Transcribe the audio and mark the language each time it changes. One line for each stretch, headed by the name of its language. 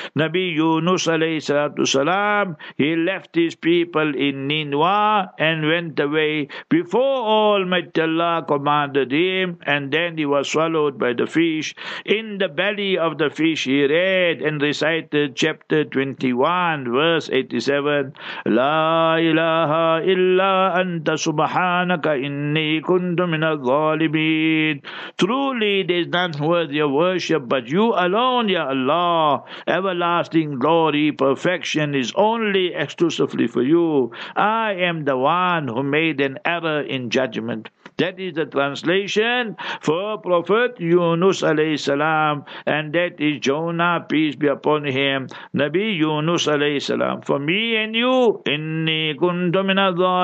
English: Nabi Yunus alayhi salatu salam, he left his people in Ninwa and went away before Almighty Allah commanded him, and then he was swallowed by the fish. In the belly of the fish he read and recited chapter 21 verse 87.
Arabic: لَا إِلَهَا إِلَّا لا أنت سبحانك إني كنت من الظالمين.
English: Truly there is none worthy of worship but you alone, Ya Allah. Everlasting glory, perfection is only exclusively for you. I am the one who made an error in judgment. That is the translation for Prophet Yunus alayhi salam, and that is Jonah, peace be upon him, Nabi Yunus alayhi salam. For me and you,
Arabic: إني كنت من الظالمين.